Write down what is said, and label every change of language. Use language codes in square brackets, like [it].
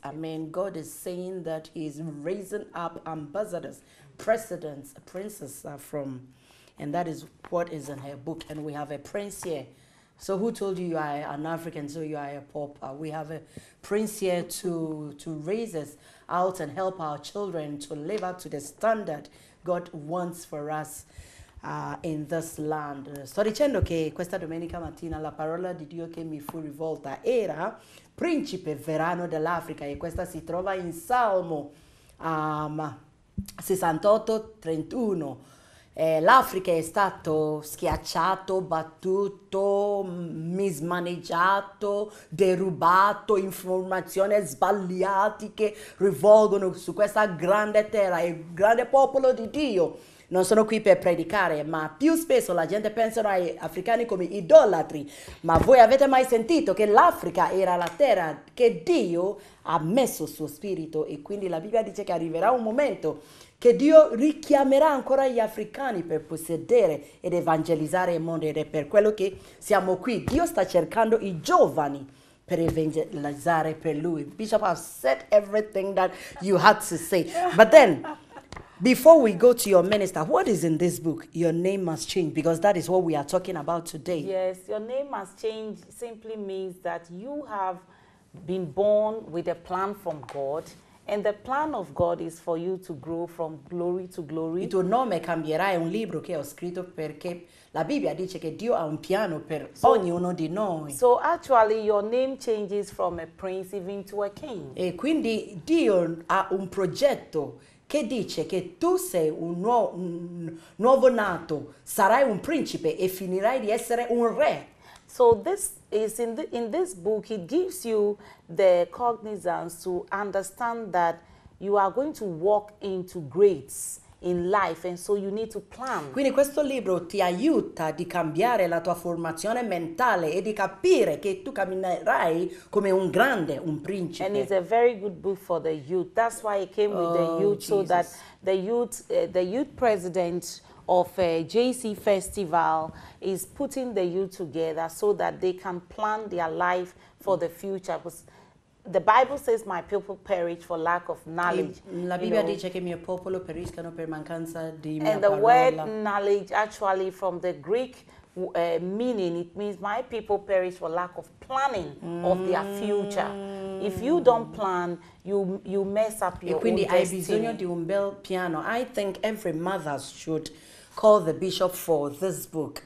[en] I mean, God is saying that he is raising up ambassadors, presidents, princes are from, and that is what is in her book. And we have a prince here. So who told you are an African, so you are a pauper? We have a prince here to raise us out and help our children to live up to the standard God wants for us in this land. [it] Sto dicendo che questa domenica mattina la parola di Dio che mi fu rivolta era principe verano dell'Africa, e questa si trova in Salmo 68:31. L'Africa è stato schiacciato, battuto, mismaneggiato, derubato, informazioni sbagliate che rivolgono su questa grande terra, il grande popolo di Dio. Non sono qui per predicare, ma più spesso la gente pensa ai africani come idolatri. Ma voi avete mai sentito che l'Africa era la terra che Dio ha messo il suo spirito? E quindi la Bibbia dice che arriverà un momento che Dio richiamerà ancora gli africani per possedere ed evangelizzare il mondo. Ed è per quello che siamo qui. Dio sta cercando i giovani per evangelizzare per lui. [en] Bishop, I've said everything that you had to say. But then, before we go to your minister, what is in this book, Your Name Must Change? Because that is what we are talking about today. Yes, Your Name Must Change simply means that you have been born with a plan from God. And the plan of God is for you to grow from glory to glory. [it] Il tuo nome cambierà è un libro che ho scritto perché la Bibbia dice che Dio ha un piano per ognuno di noi. [en] So actually your name changes from a prince even to a king. [it] E quindi Dio ha un progetto che dice che tu sei un nuovo nato, sarai un principe e finirai di essere un re. [en] So this is in this book, it gives you the cognizance to understand that you are going to walk into greats in life, and so you need to plan. [it] Quindi questo libro ti aiuta di cambiare la tua formazione mentale e di capire che tu camminerai come un grande, un principe. [en] And it's a very good book for the youth. That's why it came with the youth, Jesus. So that the youth president of a JC festival is putting the youth together so that they can plan their life for the future. Because the Bible says my people perish for lack of knowledge. [it] La Bibbia dice che mio popolo perisca per mancanza di mia parola. [en] And the word knowledge actually from the Greek meaning, it means my people perish for lack of planning of their future. If you don't plan, you mess up your own destiny. [it] Quindi hai bisogno di un bel piano. [en] I think every mother should call the bishop for this book.